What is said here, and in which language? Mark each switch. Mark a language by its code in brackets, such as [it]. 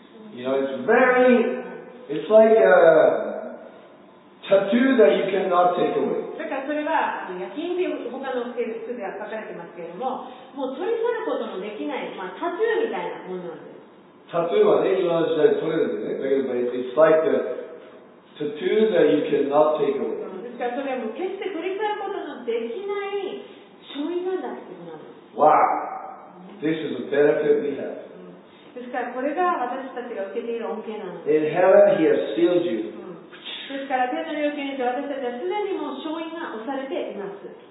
[en] You know, it's like a tattoo that you cannot take away. [ja] だからそれは焼き印で他の服では書かれてますけれども、もう取り去ることのできない、まあ、タトゥーみたいなものなんです。タトゥーはね、今の時代取れるんでね。だけど、 [en] it's like a tattoo that you cannot take away. [ja] ですからそれはもう決して取り去ることのできない書類なんだってことなんです。 [en] Wow! This is a benefit we have. [ja] ですからこれが私たちが受けている恩恵なんです。 [en] In heaven, he has sealed you. [ja] ですから天の領域にて私たちはすでにもう勝因が押されています。